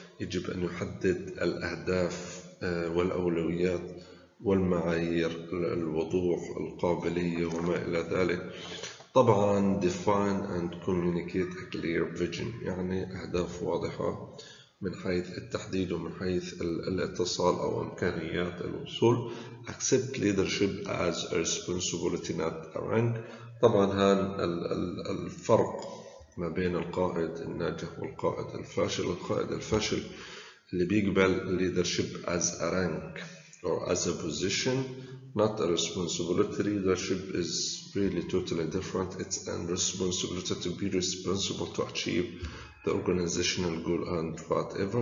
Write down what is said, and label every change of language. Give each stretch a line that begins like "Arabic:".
Arabic: يجب أن يحدد الأهداف والأولويات والمعايير، الوضوح، القابلية وما إلى ذلك. طبعا
English: define and communicate a clear vision،
Arabic: يعني أهداف واضحة من حيث التحديد ومن حيث الاتصال أو إمكانيات الوصول.
English: accept leadership as a responsibility not a rank.
Arabic: طبعا هان الفرق ما بين القائد الناجح والقائد الفاشل. القائد الفاشل اللي بيقبل
English: leadership as a rank or as a position not a responsibility. Leadership is really totally different. It's a responsibility to be responsible to achieve the organizational goal and whatever.